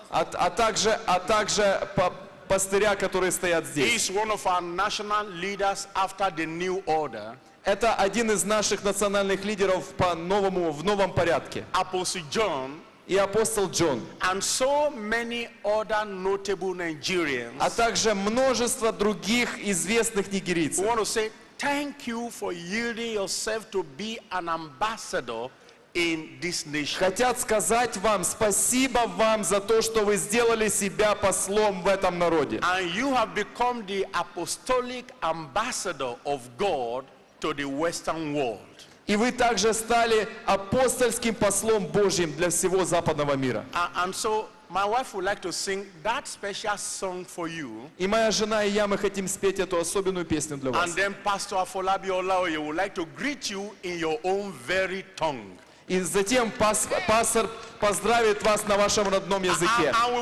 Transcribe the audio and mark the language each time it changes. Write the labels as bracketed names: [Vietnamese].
[Russian] А также пастыря, которые стоят здесь. [English] He is one of our national leaders after the new order. [Russian] Это один из наших национальных лидеров по новому, в новом порядке. Апостол Джон. и апостол Джон, [English] and so many other notable Nigerians, [Russian] а также множество других известных нигерийцев, [English] want to say thank you for yielding yourself to be an ambassador in this nation. [Russian] Хотят сказать вам спасибо вам за то, что вы сделали себя послом в этом народе. [English] And you have become the apostolic ambassador of God to the Western world. [Russian] И вы также стали апостольским послом Божьим для всего западного мира. [English] And so my wife would like to sing that special song for you. [Russian] И моя жена и я мы хотим спеть эту особенную песню для вас. [English] And then Pastor Afolabi Olaoye would like to greet you in your own very tongue. [Russian] И затем пастор поздравит вас на вашем родном языке.